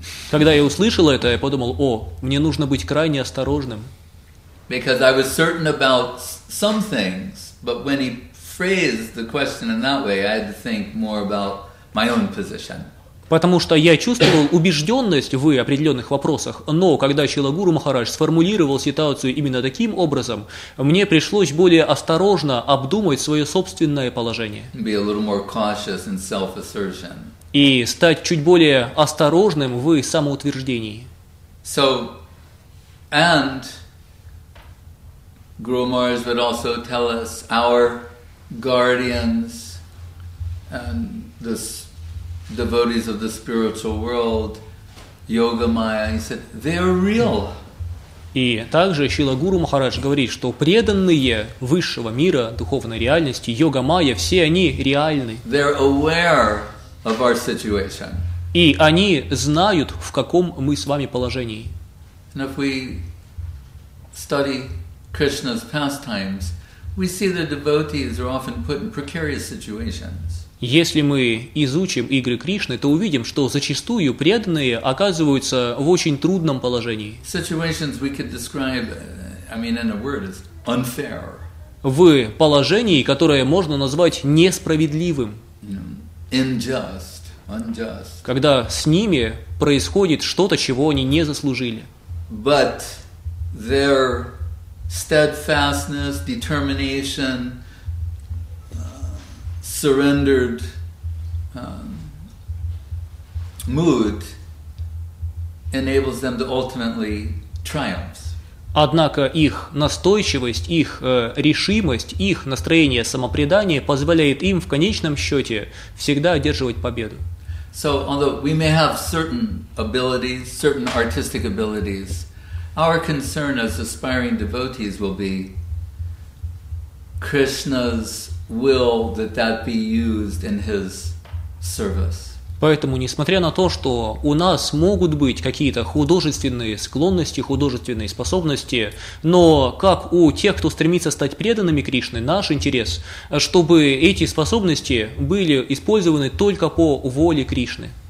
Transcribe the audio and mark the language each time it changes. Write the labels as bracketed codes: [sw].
[ru] Когда я услышал это, я подумал, о, мне нужно быть крайне осторожным. [en] Because I was certain about some things, but when he phrased the question in that way, I had to think more about my own position. [ru] Потому что я чувствовал убежденность в определенных вопросах, но когда Шрила Гуру Махарадж сформулировал ситуацию именно таким образом, мне пришлось более осторожно обдумать свое собственное положение. [en] Be a little more cautious in self-assertion. [ru] И стать чуть более осторожным в самоутверждении. [en] So, and Guru Maharaj would also tell us our guardians and this devotees of the spiritual world, yoga maya, he said, they are real. [ru] И также Шрила Гуру Махарадж говорит, что преданные высшего мира духовной реальности, йога майя, все они реальны. [en] They're aware of our situation. [ru] И они знают, в каком мы с вами положении. [en] And if we study Krishna's pastimes, we see the devotees are often put in precarious situations. [ru] Если мы изучим игры Кришны, то увидим, что зачастую преданные оказываются в очень трудном положении. [en] Situations we could describe, I mean, in a word, is unfair. [ru] В положении, которое можно назвать несправедливым. [en] Unjust, unjust. [ru] Когда с ними происходит что-то, чего они не заслужили. [en] But their steadfastness, determination, surrendered mood enables them to ultimately triumph. [ru] Однако их настойчивость, их решимость, их настроение самопредания позволяет им в конечном счете всегда одерживать победу. [en] So, although we may have certain abilities, certain artistic abilities, our concern as aspiring devotees will be Krishna's will that that be used in his service. [ru] Поэтому, несмотря на то, что у нас могут быть какие-то художественные склонности, художественные способности, но как у тех, кто стремится стать преданными Кришне, наш интерес, чтобы эти способности были использованы только по воле Кришны.